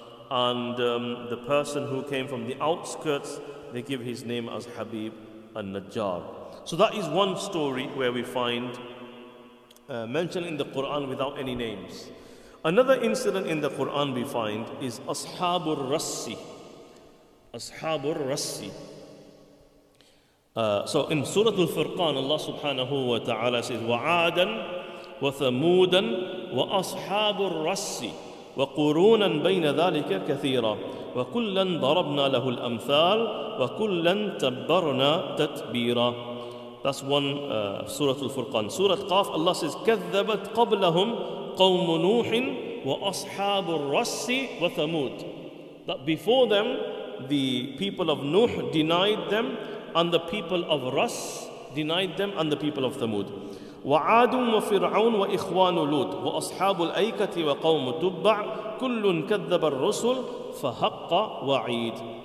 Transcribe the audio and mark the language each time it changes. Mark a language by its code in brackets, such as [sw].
[en] And the person who came from the outskirts, they give his name as Habib al-Najjar. So that is one story where we find mentioned in the Quran without any names. Another incident in the Quran we find is Ashabur Rassi. Ashabur Rassi. So in Surah Al-Furqan, Allah subhanahu wa ta'ala says, [ar] وَعَادًا وَثَمُودًا وَأَصْحَابُ الرَّسِّ وَقُرُونًا بَيْنَ ذَلِكَ كَثِيرًا وَكُلًّا ضَرَبْنَا لَهُ الْأَمْثَالِ وَكُلًّا تَبَّرْنَا تَتْبِيرًا. [en] That's one Surah Al-Furqan. [ar] Surah Qaf, [en] Allah says, [ar] كَذَّبَتْ قَبْلَهُمْ قَوْمُ نُوحٍ وَأَصْحَابُ الرَّسِّ وَثَمُودٍ. [en] That before them, the people of Nuh denied them, and the people of Ras denied them, and the people of Thamud. [ar] وَعَادٌ وَفِرْعَوْنُ وَإِخْوَانُ لُوطٍ وَأَصْحَابُ الْأَيْكَةِ وَقَوْمُ تُبَّعٍ كُلٌّ كَذَّبَ الرُّسُلَ فَحَقَّ وَعِيدٌ.